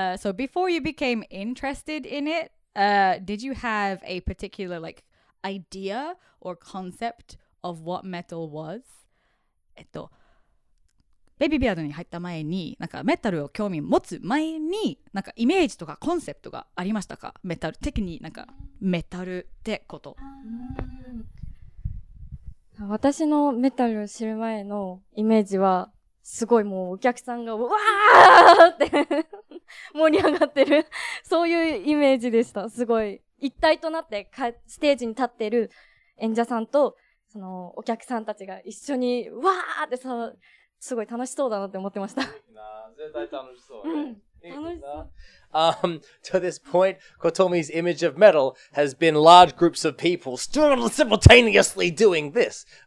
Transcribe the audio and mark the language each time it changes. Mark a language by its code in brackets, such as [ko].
[en] So before you became interested in it, did you have a particular like idea or concept of what metal was? [ja] ベビービアードに入った前に、なんかメタルを興味持つ前に、なんかイメージとかコンセプトがありましたか？メタル的になんかメタルってこと。私のメタルを知る前のイメージは、すごいもうお客さんがうわーって盛り上がってる。そういうイメージでした。すごい。一体となってステージに立ってる演者さんと、そのお客さんたちが一緒にうわーってさ、すごい楽しそうだなって思ってました。絶対楽しそう。楽しそう。 [en] To this point, Kotomi's image of metal has been large groups of people simultaneously doing this.